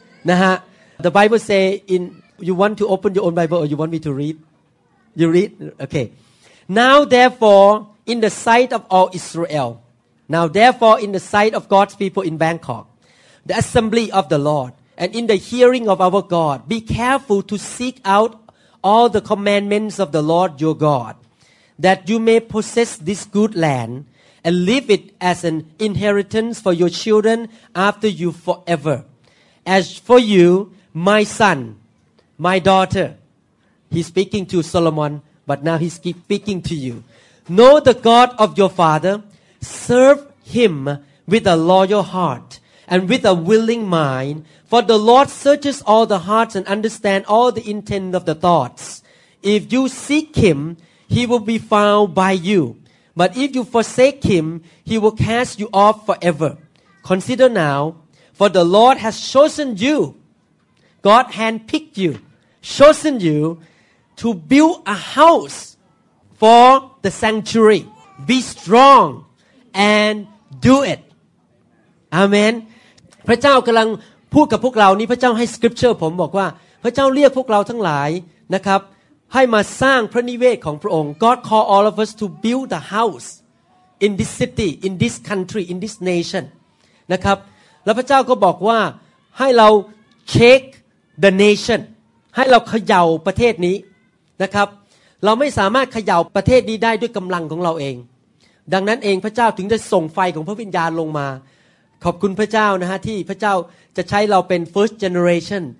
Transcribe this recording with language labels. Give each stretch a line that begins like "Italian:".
Thai: นะฮะ
English: The Bible say in you want to open your own Bible or you want me to read you read okay now thereforeIn the sight of all Israel, now therefore in the sight of God's people in Bangkok, the assembly of the Lord, and in the hearing of our God, be careful to seek out all the commandments of the Lord your God, that you may possess this good land and leave it as an inheritance for your children after you forever. As for you, my son, my daughter, he's speaking to Solomon, but now he's speaking to you. Know the God of your father, serve him with a loyal heart and with a willing mind, for the Lord searches all the hearts and understands all the intent of the thoughts. If you seek him, he will be found by you. But if you forsake him, he will cast you off forever. Consider now, for the Lord has chosen you, God handpicked you, chosen you to build a house. For the sanctuary, be strong and do it. Amen.
Thai: พระเจ้ากำลังพูดกับพวกเรานี้พระเจ้าให้สคริปเชอร์ผมบอกว่าพระเจ้าเรียกพวกเราทั้งหลายนะครับให้มาสร้างพระนิเวศของพระองค์
English: God call all of us to build the house in this city, in this country, in this nation.
Thai: นะครับแล้วพระเจ้าก็บอกว่าให้เรา
English: shake the nation
Thai: ให้เราเขย่าประเทศนี้นะครับเราไม่สามารถเขย่าประเทศนี้ได้ด้วยกำลังของเราเองดังนั้นเองพระเจ้าถึงจะส่งไฟของพระวิญญาณลงมาขอบคุณพระเจ้านะฮะที่พระเจ้าจะใช้เราเป็น
English: first generation